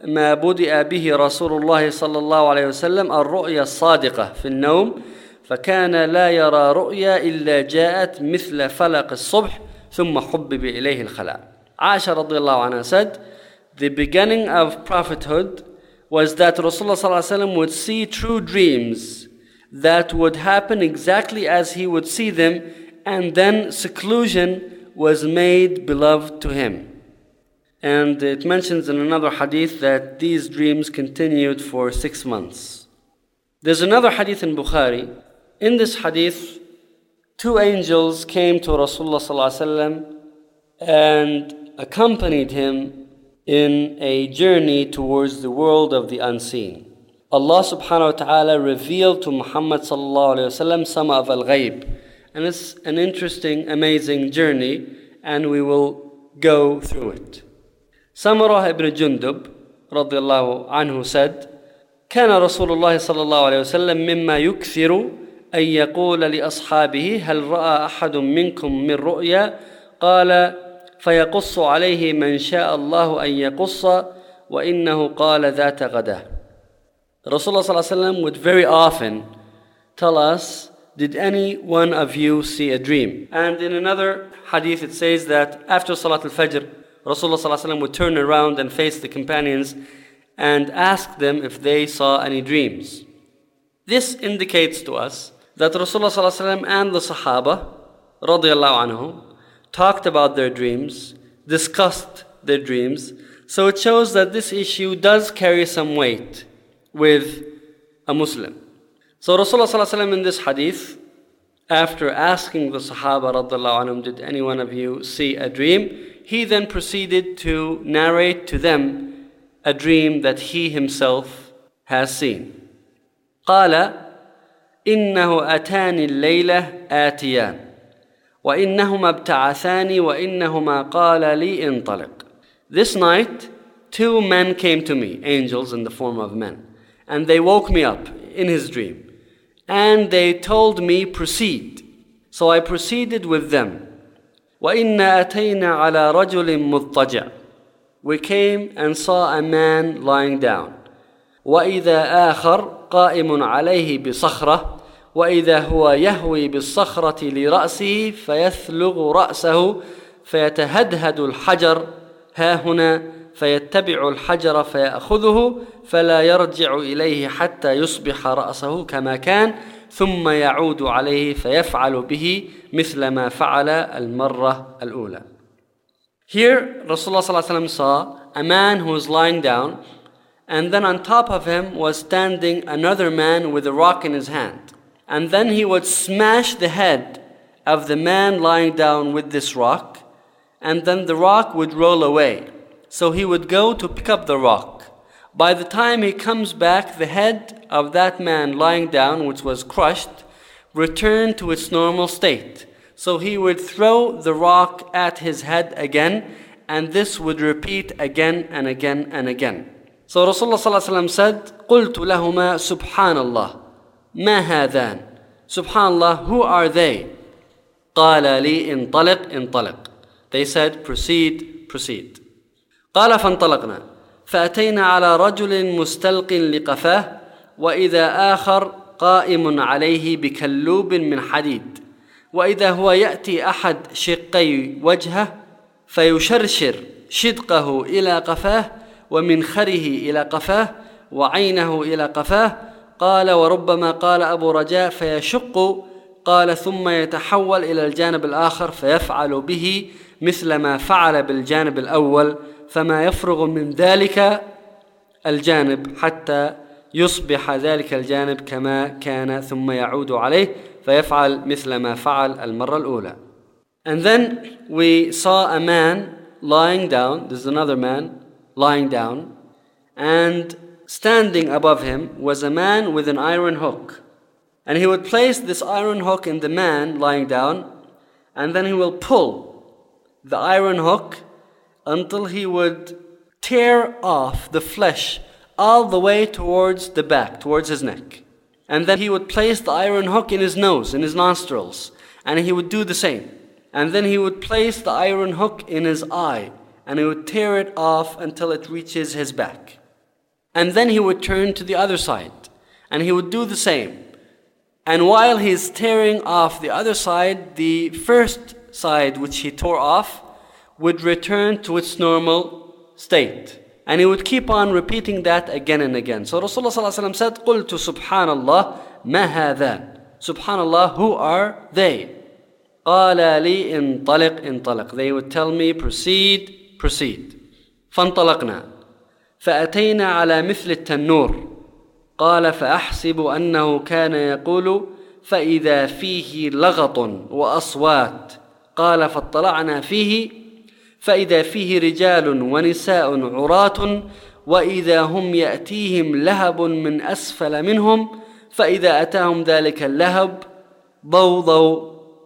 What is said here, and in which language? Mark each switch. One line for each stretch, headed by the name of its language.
Arabic: ما بدأ به رسول الله صلى الله عليه وسلم الرؤيا الصادقة في النوم، فكان لا يرى رؤيا إلا جاءت مثل فلق الصبح ثم حبب إليه الخلاء.
English: عائشة رضي الله عنها said, the beginning of prophethood was that Rasulullah صلى الله عليه وسلم would see true dreams that would happen exactly as he would see them, and then seclusion was made beloved to him. And it mentions in another hadith that these dreams continued for 6 months. There's another hadith in Bukhari. In this hadith, two angels came to Rasulullah صلى الله عليه وسلم and accompanied him in a journey towards the world of the unseen. Allah subhanahu wa ta'ala revealed to Muhammad sallallahu alayhi wa sallam some of al-ghayb. And it's an interesting, amazing journey, and we will go through it.
Arabic: Samurah ibn Jundub radiallahu anhu said, كان رسول الله صلى الله عليه وسلم مما يكثر أن يقول لأصحابه هل رأى أحد منكم من رؤيا؟ قال فيقص عليه من شاء الله أن يقص وإنه قال ذات غدا.
English: Rasulullah صلى الله عليه وسلم would very often tell us, did any one of you see a dream? And in another hadith it says that after Salat al-Fajr, Rasulullah صلى الله عليه وسلم would turn around and face the companions and ask them if they saw any dreams. This indicates to us that Rasulullah صلى الله عليه وسلم and the Sahaba رضي الله عنهم talked about their dreams, discussed their dreams. So it shows that this issue does carry some weight with a Muslim. So Rasulullah صلى الله عليه وسلم in this hadith, after asking the Sahaba رضي الله عنهم, did any one of you see a dream? He then proceeded to narrate to them a dream that he himself has seen.
Arabic: قال إنه أتاني الليلة آتيان وإنهما ابتعثاني وإنهما قال لي انطلق.
English: This night, two men came to me, angels in the form of men, and they woke me up in his dream, and they told me proceed. So I proceeded with them.
Arabic: وإنا أتينا على رجل مضطجع.
English: We came and saw a man lying down.
Arabic: وإذا آخر قائم عليه بصخرة. وإذا هو يهوي بالصخرة لرأسه فيثلغ رأسه فيتهدهد الحجر ها هنا فيتبع الحجر فيأخذه فلا يرجع إليه حتى يصبح رأسه كما كان ثم يعود عليه فيفعل به مثل ما فعل المرة الأولى.
English: Here Rasulullah صلى الله عليه وسلم saw a man who was lying down, and then on top of him was standing another man with a rock in his hand. And then he would smash the head of the man lying down with this rock, and then the rock would roll away. So he would go to pick up the rock. By the time he comes back, the head of that man lying down, which was crushed, returned to its normal state. So he would throw the rock at his head again, and this would repeat again and again and again.
Arabic: So Rasulullah صلى الله عليه وسلم said, قُلْتُ لَهُمَا سُبْحَانَ اللَّهِ ما هذان سبحانه
English: who are they
Arabic: قال لي انطلق انطلق
English: they said proceed proceed
Arabic: قال فانطلقنا فأتينا على رجل مستلق لقفاه وإذا آخر قائم عليه بكلوب من حديد وإذا هو يأتي أحد شقي وجهه فيشرشر شدقه إلى قفاه ومنخره إلى قفاه وعينه إلى قفاه قال وربما قال أبو رجاء فيشق قال ثم يتحول إلى الجانب الآخر فيفعل به مثل ما فعل بالجانب الأول فما يفرغ من ذلك الجانب حتى يصبح ذلك الجانب كما كان ثم يعود عليه فيفعل مثل ما فعل المرة الأولى.
English: And then we saw a man lying down. This is another man lying down, and standing above him was a man with an iron hook. And he would place this iron hook in the man lying down, and then he will pull the iron hook until he would tear off the flesh all the way towards the back, towards his neck. And then he would place the iron hook in his nose, in his nostrils, and he would do the same. And then he would place the iron hook in his eye, and he would tear it off until it reaches his back. And then he would turn to the other side, and he would do the same. And while he's tearing off the other side, the first side which he tore off would return to its normal state. And he would keep on repeating that again and again.
Arabic: So Rasulullah ﷺ said, قُلْتُ سُبْحَانَ اللَّهِ مَا هَذَا سُبْحَانَ اللَّهِ
English: Who are they?
Arabic: قَالَ لِي انطلق انطلق
English: They would tell me, proceed, proceed.
Arabic: فَانْطَلَقْنَا فَأَتَيْنَا عَلَى مِثْلِ التَّنُّورِ قَالَ فَأَحْسِبُ أَنَّهُ كَانَ يَقُولُ فَإِذَا فِيهِ لَغَطٌ وَأَصْوَاتٌ قَالَ فَاطَّلَعْنَا فِيهِ فَإِذَا فِيهِ رِجَالٌ وَنِسَاءٌ عُرَاتٌ وَإِذَا هُمْ يَأْتِيهِمْ لَهَبٌ مِنْ أَسْفَلَ مِنْهُمْ فَإِذَا أَتَاهُمْ ذَلِكَ اللَّهَبُ ضَوْضَوْا